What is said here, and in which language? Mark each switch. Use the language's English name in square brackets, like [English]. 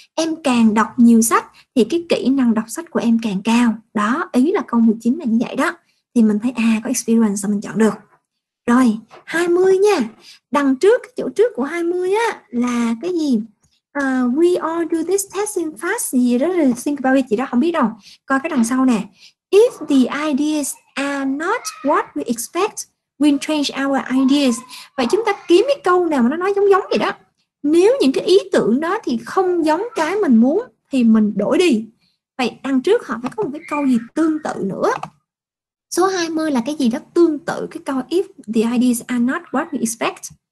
[Vietnamese] Em càng đọc nhiều sách thì cái kỹ năng đọc sách của em càng cao. Đó, ý là câu 19 là như vậy đó. Thì mình thấy à, có experience sao mình chọn được. Rồi, 20 nha. Đằng trước, cái chỗ trước của 20 á là cái gì? [English] We all do this testing fast [Vietnamese] gì đó, [English] think about it, [Vietnamese] gì đó không biết đâu. Coi cái đằng sau nè. [English] If the ideas are not what we expect, we change our ideas. [Vietnamese] Vậy chúng ta kiếm cái câu nào mà nó nói giống giống vậy đó. Nếu những cái ý tưởng đó thì không giống cái mình muốn thì mình đổi đi. Vậy đằng trước họ phải có một cái câu gì tương tự nữa. Số 20 là cái gì đó tương tự cái câu [English] if the ideas are not what we expect.